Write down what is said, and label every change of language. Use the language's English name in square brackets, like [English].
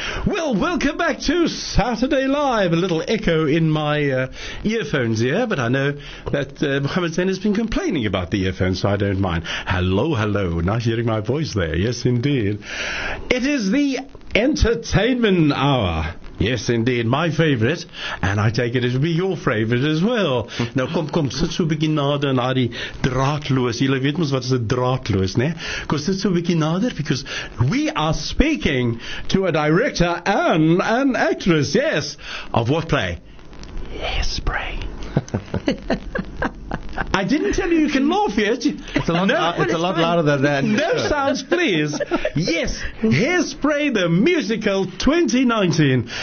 [English] Well, welcome back to Saturday Live. A little echo in my earphones here, but I know that Mohammed Zain has been complaining about the earphones, so I don't mind. Hello. Nice hearing my voice there. Yes, indeed. It is the Entertainment Hour. Yes, indeed, my favorite, and I take it will be your favorite as well. [Afrikaans] Nou kom, sit so 'n bietjie nader na die draadloos. Julle weet mos wat is 'n draadloos, né? Kom sit so 'n bietjie nader [English] because we are speaking to a director and an actress, yes, of what play? Hairspray. I didn't tell you can laugh yet. It's a lot louder than that. No sounds, please. Yes, Hairspray, the musical 2019.